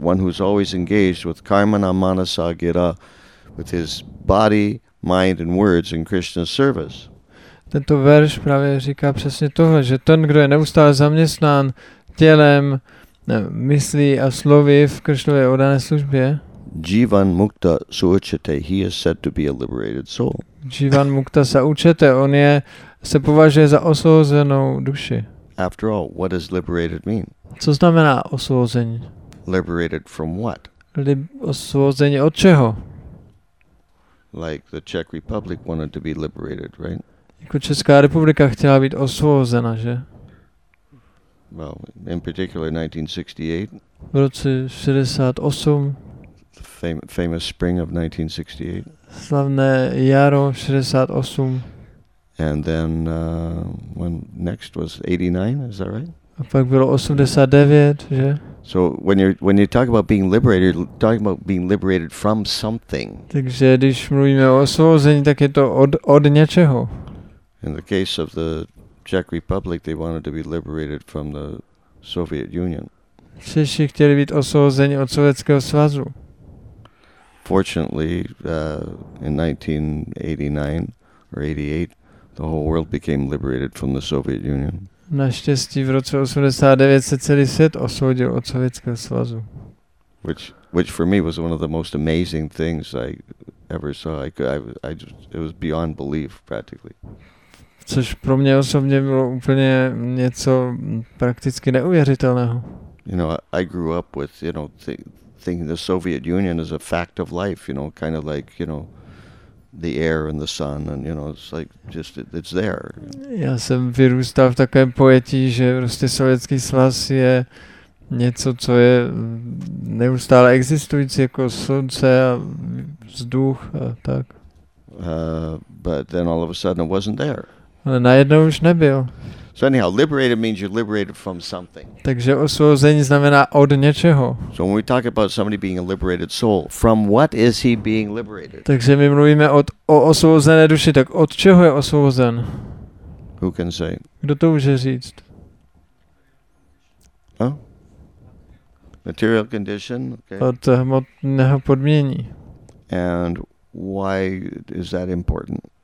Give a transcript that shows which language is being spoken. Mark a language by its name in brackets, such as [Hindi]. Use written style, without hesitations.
[English] One who's always engaged with [Sanskrit] karmana manasa gira, [English] with his body, mind and words in Krishna's service. [Czech] Tento verš právě říká přesně tohle, že ten, kdo je neustále zaměstnán tělem, myslí a slovy v Krishnově oddané službě. [Sanskrit] Jivan mukta suchete, [English] he is said to be a liberated soul. [Sanskrit] Jivan mukta suchete, [Czech] on je, se považuje za osvobozenou duši. [English] After all, what does liberated mean? [Czech] Co znamená osvobození? [English] Liberated from what? [Czech] Osvobození od čeho? [English] Like the Czech Republic wanted to be liberated, right? [Czech] Jako Česká republika chtěla být osvobozena, že? [English] Well, in particular 1968. [Czech] V roce 68. [English] famous spring of 1968. [Czech] Slavné jaro 68. [English] And then when next was 89, is that right? [Czech] A pak bylo 89, že? [English] So when you talk about being liberated, talking about being liberated from something. [Czech] Takže když mluvíme o osvobození, tak je to od něčeho. [English] In the case of the Czech Republic, they wanted to be liberated from the Soviet Union. [Czech] Češi chtěli být osvobozeni od Sovětského svazu. [English] Fortunately, in 1989 or 88, the whole world became liberated from the Soviet Union. [Czech] Naštěstí v roce 89 se celý svět osvobodil od Sovětského svazu. [English] Which for me was one of the most amazing things I ever saw. It was beyond belief practically. [Czech] Což pro mě osobně bylo úplně něco prakticky neuvěřitelného. [English] You know, I grew up with, you know, thinking the Soviet Union is a fact of life, you know, kind of like, you know, the air and the sun, and you know, it's like just it's there. [Czech] Já jsem vyrůstal v takovém pojetí, že prostě Sovětský svaz je něco, co je neustále existující, jako slunce a vzduch a tak. [English] But then all of a sudden it wasn't there. [Czech] Ale najednou už nebyl. [English] So anyhow, liberated means you're liberated from something. [Czech] Takže osvobození znamená od něčeho. [English] So when we talk about somebody being a liberated soul, from what is he being liberated? [Czech] Takže my mluvíme o osvobozené duši, tak od čeho je osvobozen? [English] Who can say? [Czech] Kdo to může říct? [English] Huh? Material condition? Okay. [Czech] Od hmotného podmínění. [English] And why is that important?